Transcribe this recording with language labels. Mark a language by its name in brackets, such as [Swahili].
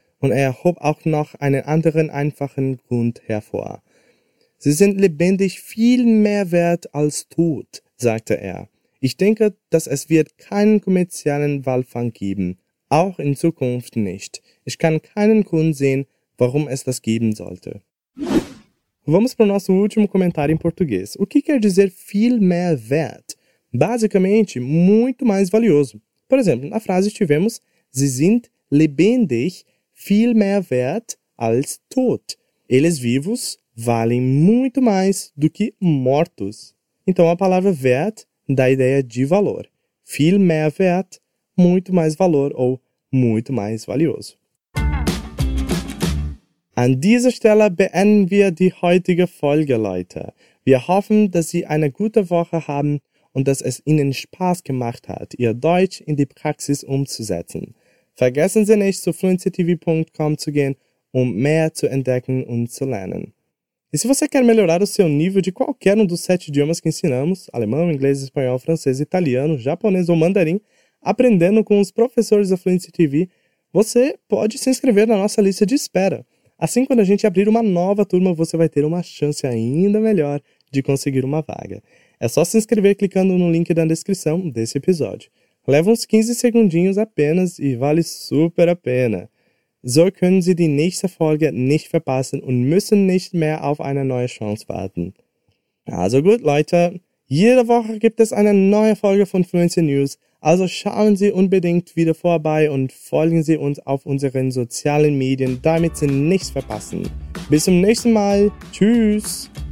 [German] Und er hob auch noch einen anderen einfachen Grund hervor. Sie sind lebendig viel mehr wert als tot, sagte er. Ich denke, dass es wird keinen kommerziellen Walfang geben. Auch in Zukunft nicht. Ich kann keinen Grund sehen, warum es das geben sollte. [Portuguese] Vamos para o nosso último comentário em português. O que quer dizer [German] viel mehr wert? [Portuguese] Basicamente, muito mais valioso. Por exemplo, na frase tivemos [German] Sie sind lebendig viel mehr wert als tot. [Portuguese] Eles vivos valem muito mais do que mortos. Então, a palavra wert dá a ideia de valor. Viel mehr wert, muito mais valor ou muito mais valioso. [German] An dieser Stelle beenden wir die heutige Folge, Leute. Wir hoffen, dass Sie eine gute Woche haben und dass es Ihnen Spaß gemacht hat, Ihr Deutsch in die Praxis umzusetzen. Vergessen Sie nicht, zu fluencytv.com zu gehen, um mehr zu entdecken und zu lernen. [Portuguese] E se você quer melhorar o seu nível de qualquer dos 7 idiomas que ensinamos, alemão, inglês, espanhol, francês, italiano, japonês ou mandarim, aprendendo com os professores da Fluency TV, você pode se inscrever na nossa lista de espera. Assim, quando a gente abrir uma nova turma, você vai ter uma chance ainda melhor de conseguir uma vaga. É só se inscrever clicando no link da descrição desse episódio. Leva uns 15 segundinhos apenas e vale super a pena. [German] So können Sie die nächste Folge nicht verpassen und müssen nicht mehr auf eine neue Chance warten. Also gut, Leute. Jede Woche gibt es eine neue Folge von Fluency News. Also schauen Sie unbedingt wieder vorbei und folgen Sie uns auf unseren sozialen Medien, damit Sie nichts verpassen. Bis zum nächsten Mal. Tschüss.